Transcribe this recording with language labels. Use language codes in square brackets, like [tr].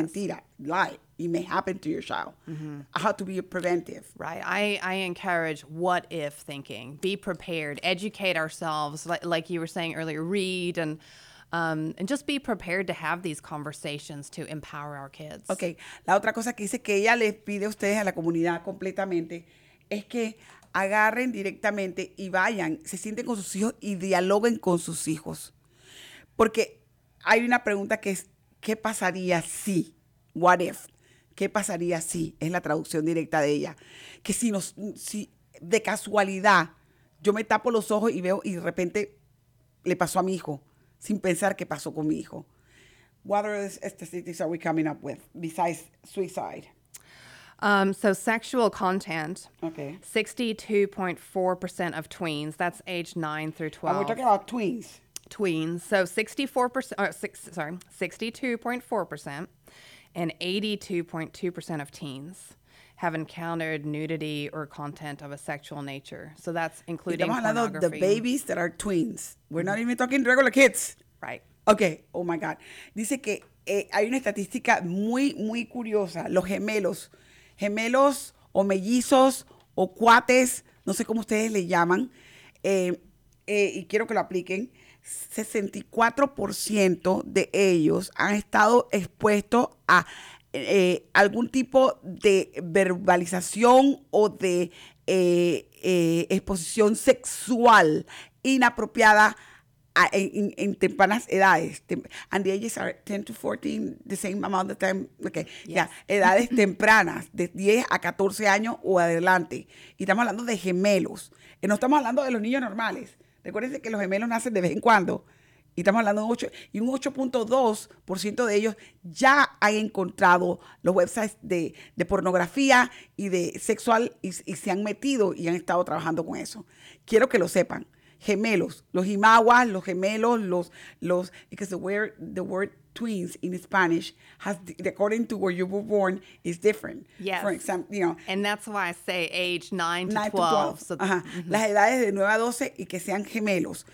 [en] Yes. Mentira, lie. It may happen to your child. Mm-hmm. How to be preventive. Right. I encourage what if thinking. Be prepared. Educate ourselves. Like you were saying earlier, read and just be prepared to have these conversations to empower our kids. Okay. [es] La otra cosa que dice que ella les pide a ustedes a la comunidad completamente es que agarren directamente y vayan, se sienten con sus hijos y dialoguen con sus hijos. Porque hay una pregunta que es, ¿qué pasaría si? [en] What if? [es] ¿Qué pasaría si? Es la traducción directa de ella. Que si de casualidad yo me tapo los ojos y veo y de repente le pasó a mi hijo sin pensar qué pasó con mi hijo. [en] What are the statistics are we coming up with besides suicide? So sexual content. Okay. 62.4% of tweens. That's age 9 through 12. And we're talking about tweens. Tweens. So 62.4%. And 82.2% of teens have encountered nudity or content of a sexual nature. So that's including [es] estamos [en] pornography. [es] Hablando de [en] babies that are tweens. We're not even talking regular kids. Right. Okay. Oh, my God. [es] Dice que hay una estadística muy, muy curiosa. Los gemelos. Gemelos o mellizos o cuates. No sé cómo ustedes le llaman. Y quiero que lo apliquen. 64% de ellos han estado expuestos a algún tipo de verbalización o de exposición sexual inapropiada en tempranas edades. [en] And the ages are 10 to 14, the same amount of time. Okay, yes. Yeah. [es] Edades tempranas, de 10 a 14 años o adelante. Y estamos hablando de gemelos. No estamos hablando de los niños normales. Recuérdense que los gemelos nacen de vez en cuando. Y estamos hablando de un 8.2% de ellos ya han encontrado los websites de pornografía y de sexual y se han metido y han estado trabajando con eso. Quiero que lo sepan. Gemelos, los imaguas, los gemelos, los [en] because the word twins in Spanish has according to where you were born is different. Yes. For example, you know. And that's why I say age 9 to 12. [es] So las edades de 9 a 12 y que sean gemelos.